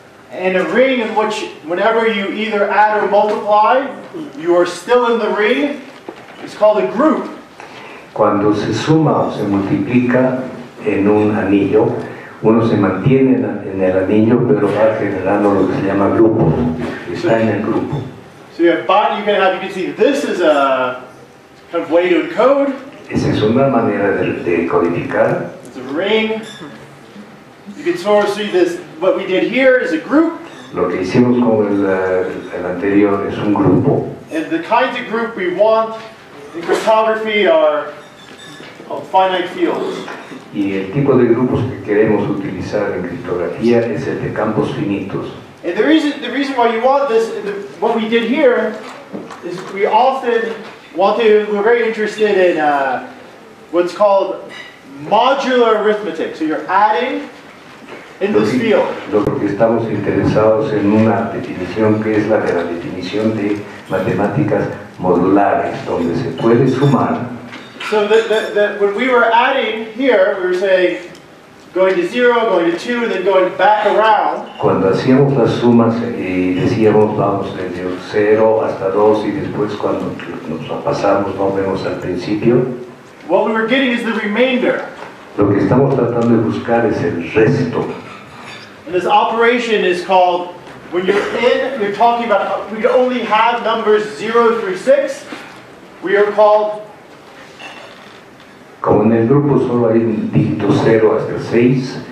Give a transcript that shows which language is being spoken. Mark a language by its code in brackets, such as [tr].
[en] And a ring in which whenever you either add or multiply, you are still in the ring, it's called a group. [es] Cuando se suma o se multiplica en un anillo, uno se mantiene en el anillo, pero va generando lo que se llama grupo. Está en el grupo. [en] So you can see this is a kind of way to encode. [es] Esa es una manera de codificar. [en] It's a ring. You can sort of see this, what we did here is a group. [es] Lo que hicimos con el anterior es un grupo. [en] And the kinds of group we want in cryptography are called finite fields. [es] Y el tipo de grupos que queremos utilizar en criptografía es el de campos finitos. [en] And the reason why you want this, what we did here, is we often want to, we're very interested in what's called modular arithmetic. So you're adding in this field. [es] Lo que estamos interesados en una definición que es la de la definición de matemáticas modulares, donde se puede sumar. [en] So that when we were adding here, we were saying going to 0, going to 2, then going back around. [es] Cuando hacíamos las sumas y decíamos vamos desde 0 hasta 2 y después cuando nos pasamos volvemos al principio. [en] What we were getting is the remainder. [es] Lo que estamos tratando de buscar es el resto. [en] And this operation is called, when you're in, you're talking about, we only have numbers 0 through 6, we are called. [es] Como en el grupo solo hay un dígito 0 hasta 6,